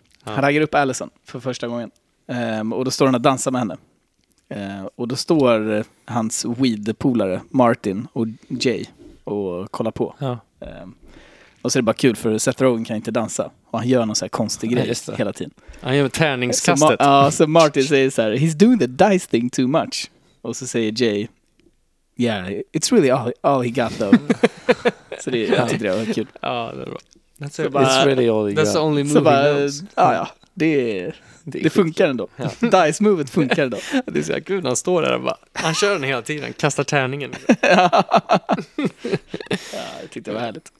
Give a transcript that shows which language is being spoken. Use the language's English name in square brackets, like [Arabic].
[Swedish] Han raggar upp Allison för första gången. Och då står han och dansar med henne. Och då står hans weed-polare Martin och Jay och kollar på. Ja. Och så är det bara kul för Seth Rogen kan inte dansa. Och han gör någon så här konstig grej hela tiden. Han gör tärningskastet. Så Martin säger så här, [English] he's doing the dice thing too much. [Swedish] Och så säger [English] Jay, yeah, it's really all he got though. [Swedish] Så det, jag tyckte det var kul. Ja, det var bra. [English] That's bara, it's really all he got. That's the only move bara, he knows. [Swedish] Ja, det funkar ändå. Ja. Dice movet funkar ändå. Det är så här kul när han står där och bara, han kör den hela tiden, kastar tärningen. Ja, jag tyckte det var härligt.